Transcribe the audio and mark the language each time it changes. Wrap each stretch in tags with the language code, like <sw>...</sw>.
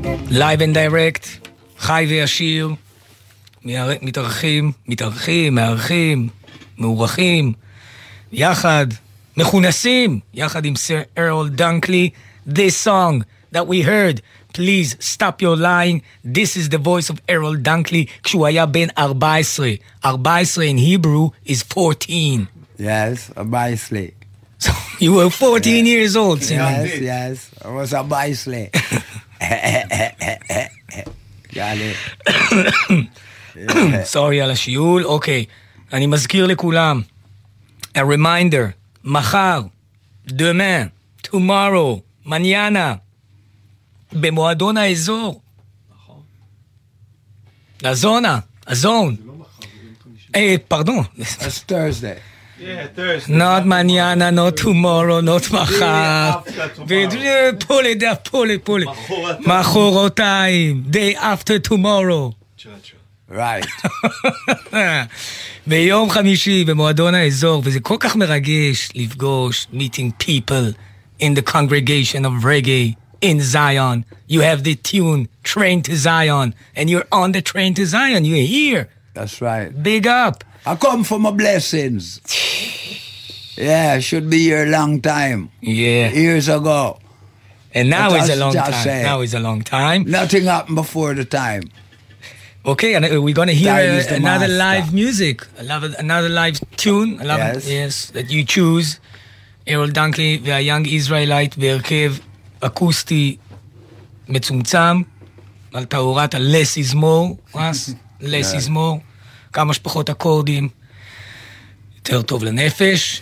<en>Live and direct,</en> <he>חי וישיר, מתארחים, מתארחים, מארחים, מאורחים, יחד, מכונסים, יחד עם Sir Earl Dunkley.</he> <en>This song that we heard, please stop your lying, this is the voice of Earl Dunkley,</en> <he>כשהוא היה בן 14.</he> <en>14 in Hebrew is 14. Yes, 14. So you were 14 yeah. years old, Simon. Yes, yes, I was 14. Sorry</en> <he>על השיעול. אוקיי, אני מזכיר לכולם,</he> <en>a reminder,</en> <he>מחר, demain,</he> <en>tomorrow,</en> <he>מניאנה, במועדון האזור, לזונה, הזון, פרדון,</he> <en>it's Thursday. Not manana, not tomorrow, not</en> <he>מחר.</he> <en>Pull it up, pull it, pull it.</en> <he>מחורתיים,</he> <en>day after tomorrow. Right.</en> <he>ביום חמישי במועדון האזור, וזה כל כך מרגש לפגוש,</he> <en>meeting people in the congregation of reggae in Zion. You have the tune, Train to Zion, and you're on the train to Zion. You're here. That's right. Big up. I come for my blessings. Yeah, should be here a long time. Yeah. Years ago. And now is a long time. Say. Now is a long time. Nothing happened before the time. Okay, and we're going to hear another live music. Another live tune. Yes. That you choose.</en> <he>Errol Dunkley, the young Israelite, בהרכב אקוסטי מצומצם, על תאורת ה-</he> <en>less is more. Less is more.</en> <he>כמה שפחות אקורדים, יותר טוב לנפש.</he>